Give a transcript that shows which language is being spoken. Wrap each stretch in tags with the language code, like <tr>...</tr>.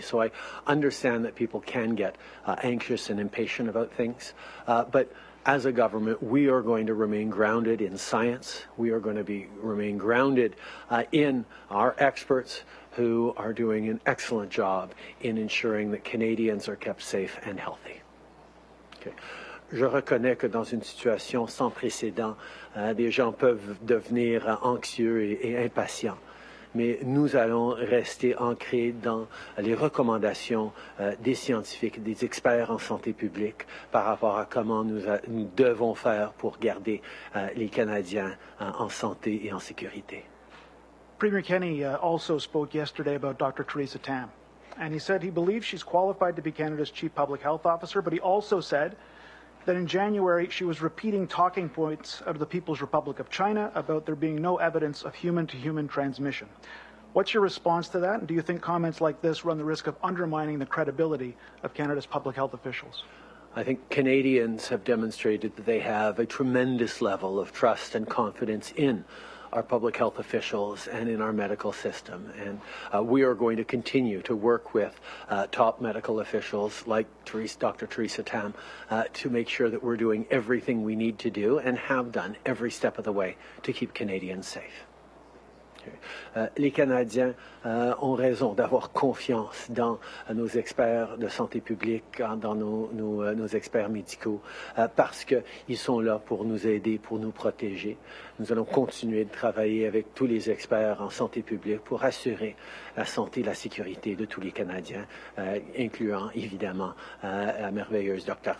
<en>So I understand that people can get anxious and impatient about things. But as a government, we are going to remain grounded in science. We are going to remain grounded in our experts, who are doing an excellent job in ensuring that Canadians are kept safe and healthy. Okay.</en> <fr>Je reconnais que dans une situation sans précédent, des gens peuvent devenir anxieux et impatients. Mais nous allons rester ancrés dans les recommandations des scientifiques, des experts en santé publique par rapport à comment nous devons faire pour garder les Canadiens en santé et en sécurité.</fr> <en>Premier Kenney also spoke yesterday about Dr. Theresa Tam, and he said he believes she's qualified to be Canada's chief public health officer, but he also said that in January she was repeating talking points out of the People's Republic of China about there being no evidence of human-to-human transmission. What's your response to that, and do you think comments like this run the risk of undermining the credibility of Canada's public health officials? I think Canadians have demonstrated that they have a tremendous level of trust and confidence in our public health officials and in our medical system. And we are going to continue to work with top medical officials like Dr. Theresa Tam to make sure that we're doing everything we need to do and have done every step of the way to keep Canadians safe.</en> <fr>Les Canadiens ont raison d'avoir confiance dans nos experts de santé publique, dans nos experts médicaux, parce qu'ils sont là pour nous aider, pour nous protéger. Nous allons continuer de travailler avec tous les experts en santé publique pour assurer la santé et la sécurité de tous les Canadiens, incluant évidemment la merveilleuse Dr.</fr>